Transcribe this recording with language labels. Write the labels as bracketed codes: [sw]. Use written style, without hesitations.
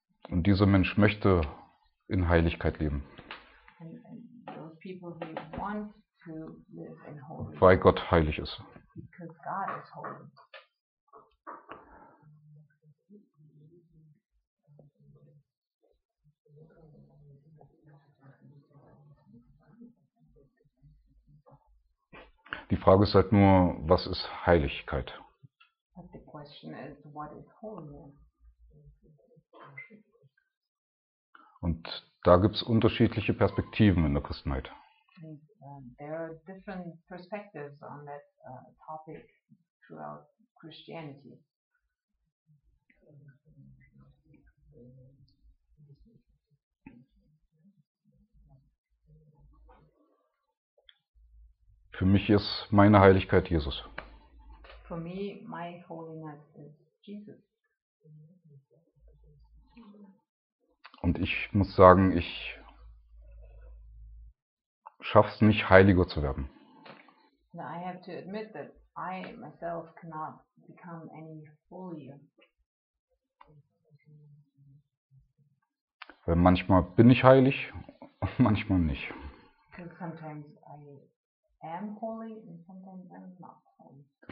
[de] Und dieser Mensch möchte in Heiligkeit leben. [en] Those people, they want to live in holiness. [de] Weil Gott heilig ist. [en] Because God is holy. [de] Die Frage ist halt nur, was ist Heiligkeit? [en] But the question is, what is holiness? [de] Und da gibt es unterschiedliche Perspektiven in der Christenheit. [en] There are different perspectives on that topic throughout Christianity. [de] Für mich ist meine Heiligkeit Jesus. [en] For me, my holiness is Jesus. [de] Und ich muss sagen, ich schaff's nicht, heiliger zu werden. [en] And I have to admit that I myself cannot become any holier. [de] Manchmal bin ich heilig, manchmal nicht. [en] Because sometimes I am holy and sometimes I'm not holy.